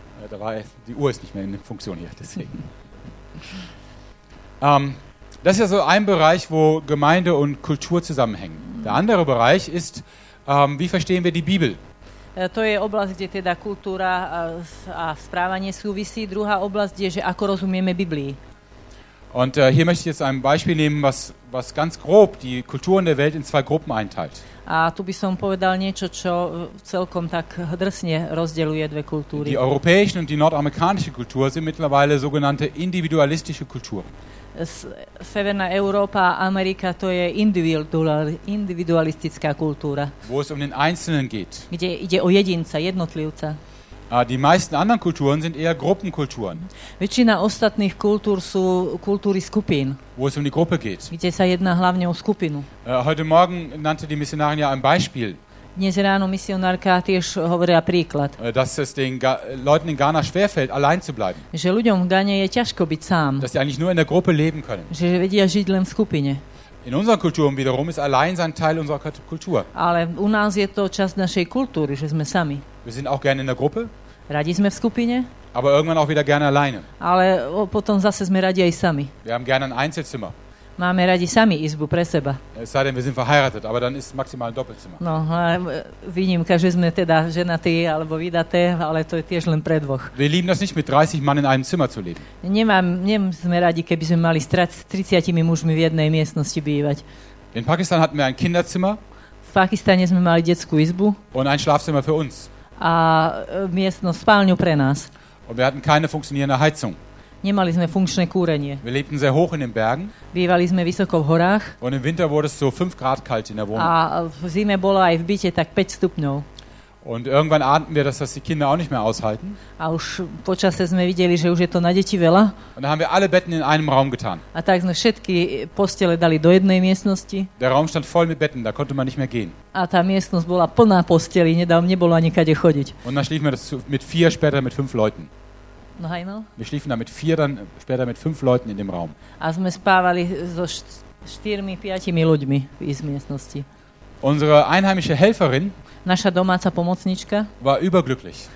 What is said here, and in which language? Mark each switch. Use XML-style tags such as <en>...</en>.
<de>Da war die Uhr ist nicht mehr in Funktion hier, deswegen. Das ist ja so ein Bereich, wo Gemeinde und Kultur zusammenhängen. Der andere Bereich ist, wie verstehen wir die Bibel?</de> <sk>To je oblasť, kde teda kultúra a správanie súvisí. Druhá oblasť je, že ako rozumieme Biblii.</sk> <de>Und hier möchte ich jetzt ein Beispiel nehmen, was ganz grob die Kulturen der Welt in zwei Gruppen einteilt.</de> <sk>A tu by som povedal niečo, čo celkom tak drsne rozdeľuje dve kultúry.</sk> <de>Die europäische und die nordamerikanische Kultur sind mittlerweile sogenannte individualistische Kulturen.</de> <sk>Severná Európa a Amerika, to je individualistická kultúra.</sk> <de>Wo es um den Einzelnen geht.</de> <sk>Kde ide o jedinca, jednotlivca.</sk> <de>Die meisten anderen Kulturen sind eher Gruppenkulturen.</de> <sk>Väčšina ostatných kultúr sú kultúry skupín.</sk> <de>Wo es um die Gruppe geht.</de> <sk>Kde sa jedná hlavne o skupinu.</sk> <de>Heute Morgen nannte die Missionarin ja ein Beispiel.</de> <sk>Dnes ráno misionárka tiež hovorila príklad.</sk> <de>Dass es den Leuten in Ghana schwerfällt, allein zu bleiben.</de> <sk>Že ľuďom v Ghane je ťažko byť sám.</sk> <de>Dass sie eigentlich nur in der Gruppe leben können.</de> <sk>Že vedia žiť len v skupine.</sk> <de>in unserer Kultur wiederum ist Alleinsein Teil unserer Kultur.</de> <sk>Ale u nás je to časť našej kultúry, že sme sami.</sk> <de>Wir sind auch gerne in der Gruppe.</de> <sk>Radi sme v skupine.</sk> <de>Aber irgendwann auch wieder gerne alleine.</de> <sk>Ale potom zase sme radi aj sami.</sk> <de>Wir haben gerne ein Einzelzimmer.</de> <sk>Máme radi sami izbu pre seba.</sk> <de>Es sei denn, wir sind verheiratet, aber dann ist maximal ein Doppelzimmer.</de> <sk>No, výnimka, že sme teda ženatí alebo vydaté, ale to je tiež len pre dvoch.</sk> <de>Wir lieben das nicht, mit 30 Mann in einem Zimmer zu leben.</de> <sk>Nemáme radi, keby sme mali s 30 mužmi v jednej miestnosti bývať.</sk> <de>In Pakistan hatten wir ein Kinderzimmer.</de> <sk>V Pakistane sme mali detskú izbu.</sk> <de>Und ein Schlafzimmer für uns.</de> <sk>A miestnosť, spálňu pre nás.</sk> <de>Und wir hatten keine funktionierende Heizung.</de> <sk>Nemali sme funkčné kúrenie.</sk> <de>Wir lebten sehr hoch in den Bergen.</de> <sk>Bývali sme vysoko v horách.</sk> <de>Und im Winter wurde es so 5 Grad kalt in der Wohnung.</de> <sk>A v zime bolo aj v byte tak 5 stupňov.</sk> <de>Und irgendwann ahnten wir, dass das die Kinder auch nicht mehr aushalten.</de> <sk>A už počase sme videli, že už je to na deti veľa.</sk> <de>Und da haben wir alle Betten in einem Raum getan.</de> <sk>A tak sme všetky postele dali do jednej miestnosti.</sk> <de>Der Raum stand voll mit Betten, da konnte man nicht mehr gehen.</de> <sk>A tá miestnosť bola plná posteli, nebolo ani kade chodiť.</sk> <de>Und dann schliefen wir das mit 4, später mit 5 Leuten. No, wir schliefen da mit 4, dann später mit 5 Leuten in dem Raum.</de> <sk>A sme spávali so 4, 5 ľuďmi v miestnosti.</sk> <de>Unsere einheimische Helferin,</de> <sk>naša domáca pomocnička,</sk> <de>war überglücklich.</de>